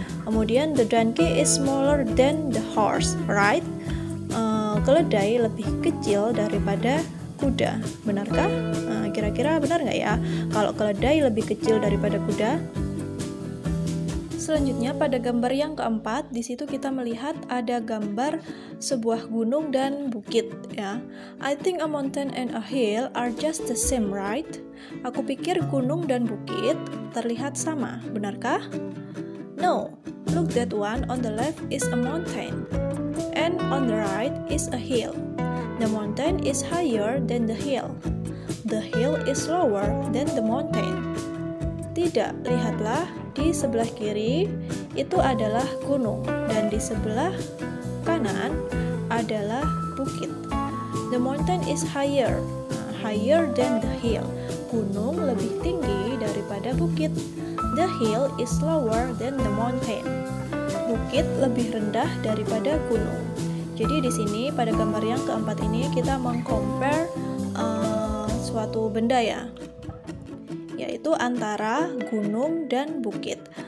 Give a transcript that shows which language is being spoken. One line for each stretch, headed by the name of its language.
English: Kemudian the donkey is smaller than the horse, right?
Indonesian: Keledai lebih kecil daripada kuda. Benarkah? Kira-kira benar nggak ya? Kalau keledai lebih kecil daripada kuda? Selanjutnya pada gambar yang keempat, di situ kita melihat ada gambar sebuah gunung dan bukit, ya.
English: I think a mountain and a hill are just the same, right?
Indonesian: Aku pikir gunung dan bukit terlihat sama, benarkah?
English: No, look, that one on the left is a mountain and on the right is a hill. The mountain is higher than the hill. The hill is lower than the mountain.
Indonesian: Tidak, lihatlah, di sebelah kiri itu adalah gunung, dan di sebelah kanan adalah bukit.
English: The mountain is higher, higher than the hill.
Indonesian: Gunung lebih tinggi daripada bukit.
English: The hill is lower than the mountain.
Indonesian: Bukit lebih rendah daripada gunung. Jadi di sini pada gambar yang keempat ini kita mengcompare suatu benda ya, yaitu antara gunung dan bukit.